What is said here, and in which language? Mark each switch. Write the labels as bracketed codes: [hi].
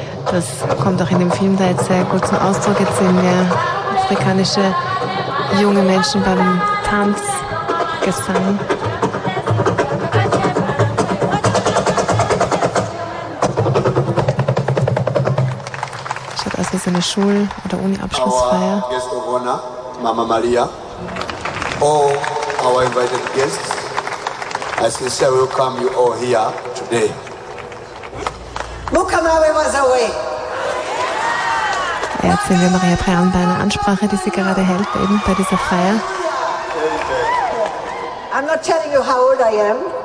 [de] Das kommt auch in dem Film da jetzt sehr gut zum Ausdruck. Jetzt sehen wir afrikanische junge Menschen beim Tanz, Gesang. Schaut aus wie so eine Schul- oder Uni-Abschlussfeier. [en] Guest of honor, Mama Maria. All our invited guests, I sincerely welcome you all here today. Mukamawe was away. [de] Jetzt sehen wir Maria Prean bei einer Ansprache, die sie gerade hält, eben bei dieser Feier. [en] I'm not telling you how old I am.